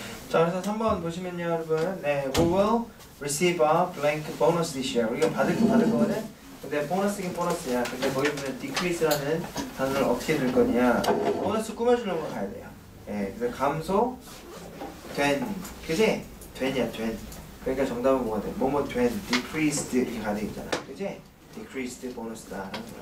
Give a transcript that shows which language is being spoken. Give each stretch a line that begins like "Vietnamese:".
Korean: 자, 그래서 3번 보시면요, 여러분.
English: 네, we will receive a blank bonus this year.
Korean: 우리가 받을 거거든. 근데 보너스긴 보너스야. 근데 거기 보면 decrease라는 단어를 어떻게 들 거냐. 보너스 꾸며주는 거 가야 돼요. 예, 네, 그래서 감소된, 그지? 된이야, 된. 그러니까 정답은 뭐가 돼? 뭐뭐 된, decreased 이렇게 가야 되잖아. 그지? decreased 보너스다.